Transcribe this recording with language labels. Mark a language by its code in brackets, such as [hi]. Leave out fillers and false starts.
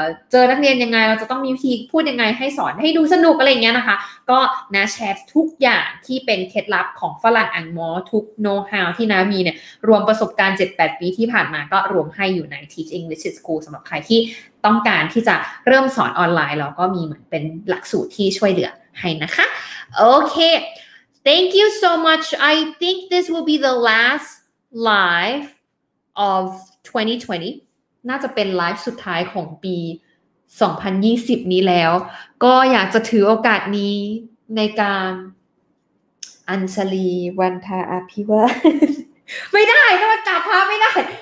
[th] เจอนักเรียนยังไงเราจะต้องมีวิธีพูดยังไงให้สอนให้ดูสนุกอะไรเงี้ยนะคะก็นะแชร์ทุกอย่างที่เป็นเคล็ดลับของฝรั่งอังมอทุกโนว์ฮาวที่นะมีเนี่ยรวมประสบการณ์ 7-8 ปีที่ผ่านมาก็รวมให้อยู่ใน Teach English School สำหรับใครที่ต้องการที่จะเริ่มสอนออนไลน์แล้วก็มีเหมือนเป็นหลักสูตรที่ช่วยเหลือให้นะคะโอเค [en] Thank you so much. I think this will be the last live of 2020. [th] น่าจะเป็นไลฟ์สุดท้ายของปี2020นี้แล้วก็อยากจะถือโอกาสนี้ในการอัญชลีวันทาอภิวาไม่ได้ถ้ามันจับพาไม่ได้